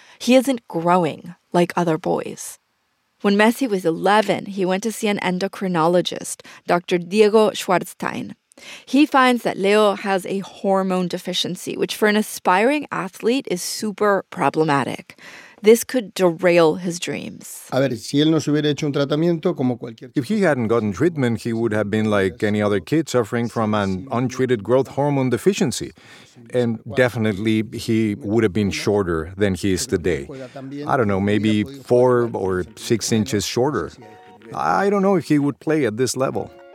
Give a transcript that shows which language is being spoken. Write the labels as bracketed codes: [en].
[en] He isn't growing like other boys. When Messi was 11, he went to see an endocrinologist, Dr. Diego Schwartzstein. He finds that Leo has a hormone deficiency, which for an aspiring athlete is super problematic. This could derail his dreams. [es] A ver, si él no se hubiera hecho un tratamiento como cualquier... [en] If he hadn't gotten treatment, he would have been like any other kid suffering from an untreated growth hormone deficiency. And definitely, he would have been shorter than he is today. I don't know, maybe 4 or 6 inches shorter. I don't know if he would play at this level.